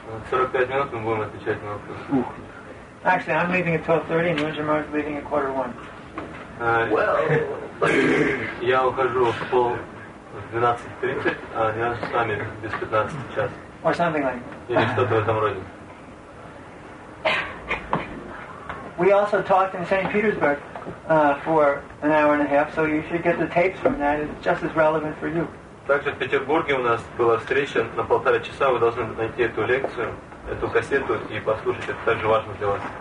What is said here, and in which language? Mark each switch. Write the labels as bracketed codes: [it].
[ru] 45 минут мы будем отвечать на вопросы. [en] Actually, I'm leaving at 12:30 and Lindsay's leaving at 12:45. [ru] Well, я ухожу в 12:30, а не с вами без 15 час. [en] Or something like [ru] that. Или что-то в этом роде. [en] We also talked in St. Petersburg for an hour and a half, so you should get the tapes from that. It's just as relevant for you. [ru] Также в Петербурге у нас была встреча на полтора часа. Вы должны найти эту лекцию, эту кассету и послушать. Это также важно для вас.